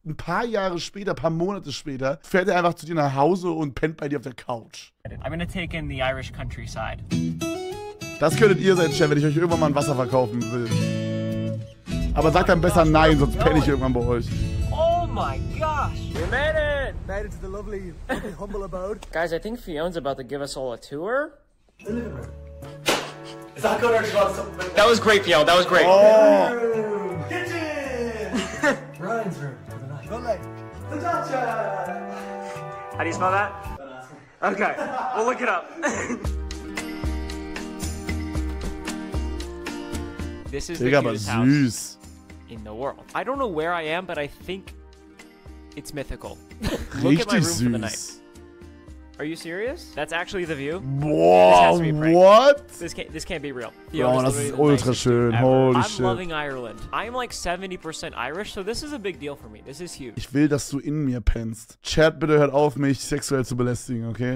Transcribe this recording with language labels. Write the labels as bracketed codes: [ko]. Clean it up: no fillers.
[de] Ein paar Jahre später, ein paar Monate später, fährt er einfach zu dir nach Hause und pennt bei dir auf der Couch. [en] I'm gonna take in the Irish countryside. [de] Das könntet ihr selbst stellen, wenn ich euch irgendwann mal ein Wasser verkaufen will. Aber sagt dann besser nein, sonst penne ich irgendwann bei euch. [en] Oh my gosh! We made it! Made it to the lovely, lovely humble abode. Guys, I think Fionn's about to give us all a tour. Is that good or should I have something? That was great, Fionn. That was great. Oh. Kitchen! Ryan's room. The dacha! How do you smell that? Okay, we'll look it up. This is the cutest house in the world. I don't know where I am, but I think it's mythical. Look [de] richtig [en] at my room [de] süß. [en] For the night. Are you serious? That's actually the view. Wow, what? This can't be real. Oh, that's ultra schön. Holy I'm shit. I'm loving Ireland. I'm like 70% Irish, so this is a big deal for me. This is huge. [de] Ich will, dass du in mir pennst. Chat, bitte hört auf, mich sexuell zu belästigen, okay?